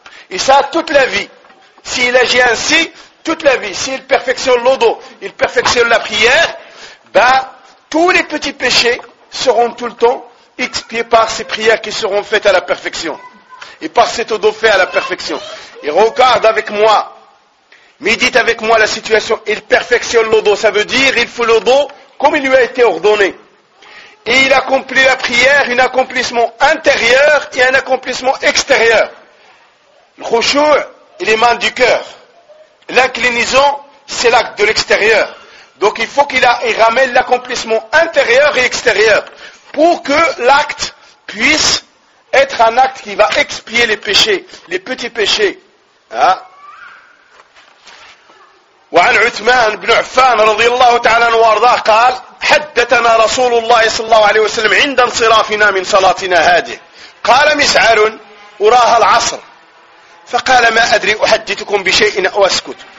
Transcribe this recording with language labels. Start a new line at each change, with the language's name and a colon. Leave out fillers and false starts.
French: et ça toute la vie S'il agit ainsi, toute la vie, s'il perfectionne l'odo, il perfectionne la prière, tous les petits péchés seront tout le temps expiés par ces prières qui seront faites à la perfection. Et par cet odo fait à la perfection. Et regarde avec moi, médite avec moi la situation, il perfectionne l'odo, ça veut dire il fait l'odo comme il lui a été ordonné. Et il accomplit la prière, un accomplissement intérieur et un accomplissement extérieur. Le khushu' il émane du cœur. L'inclinaison, c'est l'acte de l'extérieur. Donc il faut qu'il ramène l'accomplissement intérieur et extérieur pour que l'acte puisse être un acte qui va expier les péchés, les petits péchés.
Arabic: وعن عثمان بن عفان رضي الله تعالى عنه وارضاه قال حدثنا رسول الله صلى الله عليه وسلم عند انصرافنا من صلاتنا هذه. قال مسعر وراها العصر. فقال ما أدري أحدثكم بشيء أسكت.